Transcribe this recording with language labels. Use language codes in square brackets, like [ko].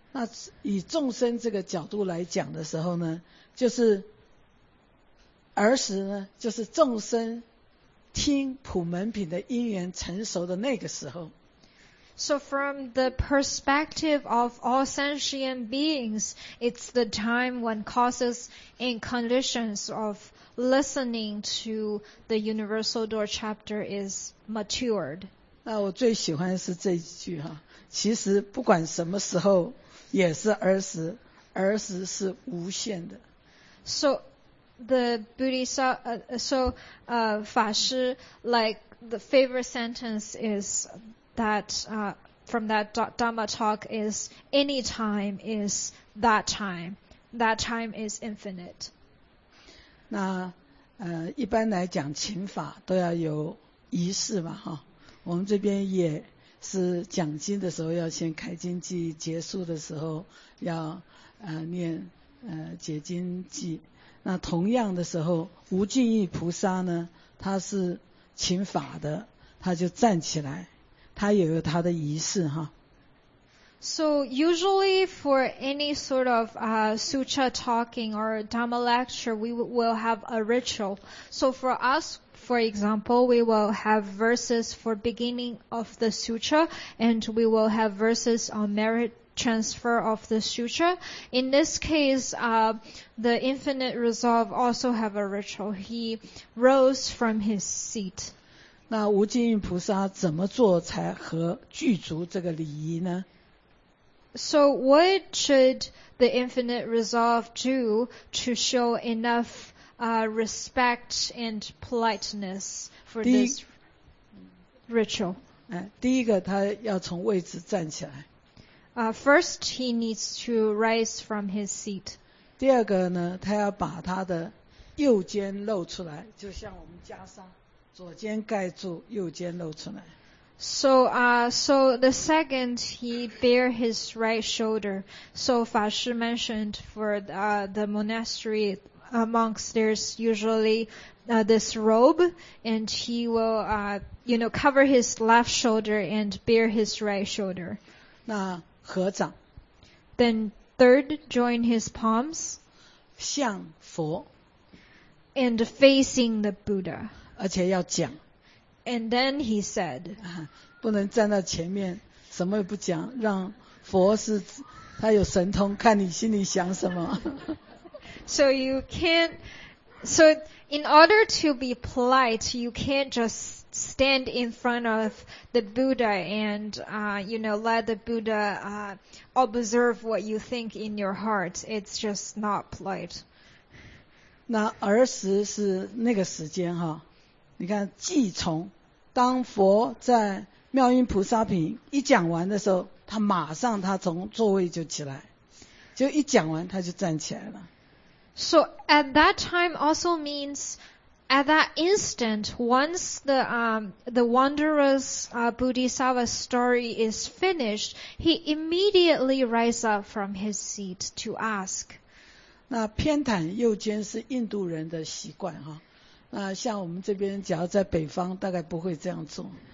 [zh] 那以众生这个角度来讲的时候呢，就是儿时呢，就是众生听普门品的因缘成熟的那个时候。 [en] So from the perspective of all sentient beings, it's the time when causes and conditions of listening to the Universal Door Chapter is matured. [zh] 那我最喜欢的是这一句哈。其实不管什么时候也是儿时，儿时是无限的。 [en] So the Bodhisattva, Fa Shi, like the favorite sentence is that from that Dharma talk is any time is that time. That time is infinite. [zh] 那一般来讲请法都要有仪式嘛哈，我们这边也是讲经的时候要先开经偈，结束的时候要念解经偈。那同样的时候，无尽意菩萨呢，他是请法的，他就站起来，他也有他的仪式哈。 [en] So usually for any sort of sutra talking or dharma lecture, we will have a ritual. So for us, for example, we will have verses for beginning of the sutra, and we will have verses on merit transfer of the sutra. In this case, the infinite resolve also have a ritual. He rose from his seat. [zh] 那无尽意菩萨怎么做才合具足这个礼仪呢？ [en] So what should the infinite resolve do to show enough respect and politeness for this ritual? [zh] 第一个他要从位置站起来。 [en] First, he needs to rise from his seat. [zh] 第二个呢，他要把他的右肩露出来，就像我们袈裟，左肩盖住，右肩露出来。 [en] So, the second, he bare his right shoulder. So Fa Shi mentioned for the monastery, monks, there's usually this robe, and he will, cover his left shoulder and bare his right shoulder. [zh] 那合掌。 [en] Then third, join his palms. [zh] 向佛。 [en] and facing the Buddha. [zh] 而且要讲。 [en] And then he said, [zh] 不能站在前面，什么也不讲，让佛是他有神通，看你心里想什么。 [en] So you can't, so in order to be polite, you can't just stand in front of the Buddha and, you know, let the Buddha, observe what you think in your heart. It's just not polite. [zh] 那儿时是那个时间哈，你看即从当佛在妙音菩萨品一讲完的时候，他马上他从座位就起来，就一讲完他就站起来了。 [en] So at that time also means at that instant, once the wondrous Bodhisattva story is finished, he immediately rise up from his seat to ask. [zh] 那偏袒右肩是印度人的习惯哈，那像我们这边假如在北方大概不会这样做。